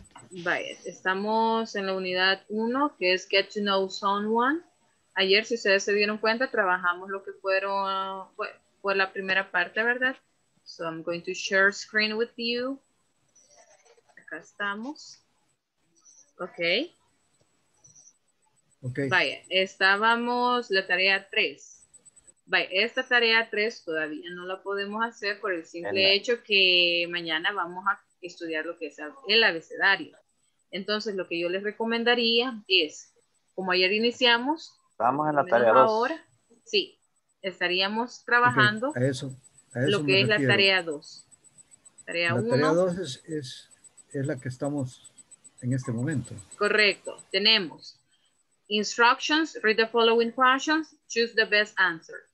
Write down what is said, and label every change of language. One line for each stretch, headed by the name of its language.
Spanish: Vaya, estamos en la unidad 1, que es Get to Know Someone. Ayer, si ustedes se dieron cuenta, trabajamos lo que fue la primera parte, ¿verdad?
English: So I'm going to share screen with you.
Spanish: Acá estamos. Okay.
English: Okay.
Spanish: Vaya, estábamos la tarea 3. Vaya, esta tarea 3 todavía no la podemos hacer por el simple hecho que mañana vamos a estudiar lo que es el abecedario. Entonces, lo que yo les recomendaría es, como ayer iniciamos. Estamos en la tarea 2. Ahora, sí, estaríamos trabajando. Okay, a eso lo que es refiero. La tarea 2. Tarea 1. La tarea 2 es la que estamos en este momento. Correcto.
English: Tenemos instructions, read the following questions, choose the best answer.